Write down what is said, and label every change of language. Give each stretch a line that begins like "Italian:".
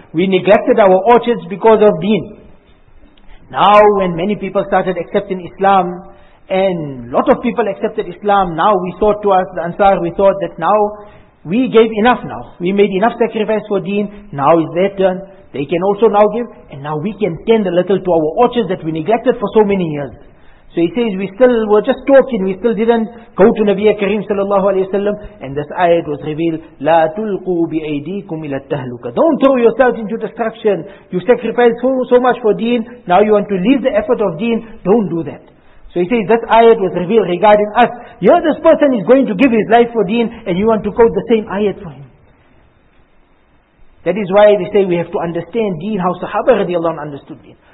English: We neglected our orchards because of deen. Now when many people started accepting Islam, and lot of people accepted Islam, now we thought to us, the Ansar, we thought that now, we gave enough now. We made enough sacrifice for deen. Now is their turn. They can also now give. And now we can tend a little to our orchards that we neglected for so many years. So he says, we still were just talking. We still didn't go to Nabiya Kareem sallallahu alayhi wa sallam. And this ayat was revealed.
Arabic: لا تلقوا بأيديكم إلى التهلكة.
English: Don't throw yourselves into destruction. You sacrificed so much for deen. Now you want to leave the effort of deen. Don't do that. So he says, that ayat was revealed regarding us. Here this person is going to give his life for deen, and you want to quote the same ayat for him. That is why they say we have to understand deen, how Sahaba radiallahu anhu understood deen.